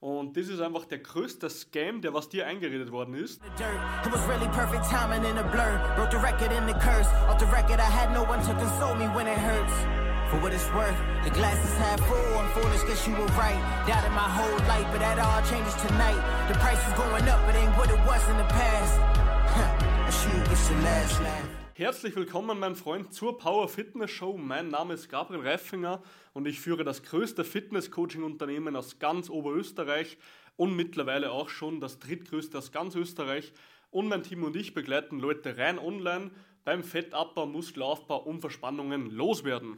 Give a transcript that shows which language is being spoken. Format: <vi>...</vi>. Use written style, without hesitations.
<de>Und das ist einfach der größte Scam, der was dir eingeredet worden ist.</de> <en>For what it's worth, the glass is half full, I'm foolish, guess you were right. Doubted my whole life, but that all changes tonight. The price is going up, it ain't what it was in the past. I should get your last laugh.</en> <de>Herzlich willkommen, mein Freund, zur Power Fitness Show. Mein Name ist Gabriel Reifinger und ich führe das größte Fitness-Coaching-Unternehmen aus ganz Oberösterreich und mittlerweile auch schon das drittgrößte aus ganz Österreich. Und mein Team und ich begleiten Leute rein online beim Fettabbau, Muskelaufbau und Verspannungen loswerden.</de>